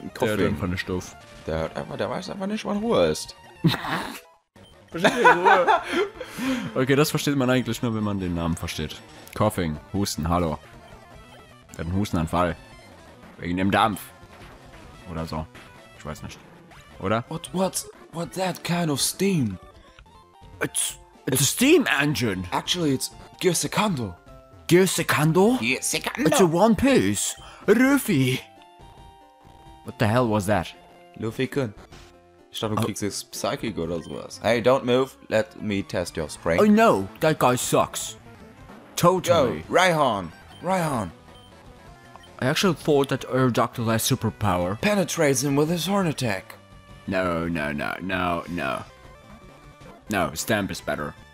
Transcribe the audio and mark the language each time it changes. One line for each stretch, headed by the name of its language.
German: Der hat einfach eine Stoff. Der hört einfach, der weiß einfach nicht, wann Ruhe ist. Versteht ihr, okay, das versteht man eigentlich nur, wenn man den Namen versteht. Coughing, Husten, hallo. Der hat einen Hustenanfall. Wegen dem Dampf. Oder so. Ich weiß nicht. Oder?
English: What's that kind of steam? It's a steam engine. Actually, it's Gear Secondo. Gear Secondo? Gear Secondo. It's a One Piece. Luffy. What the hell was that? Luffy-kun.
German: Ich dachte, du kriegst jetzt Psychic oder sowas.
English: Hey, don't move. Let me test your strength. I know. That guy sucks. Totally. Yo, Raihan. I actually thought that Earth Doctor has superpower. Penetrates him with his horn attack. No. No, Stamp is better.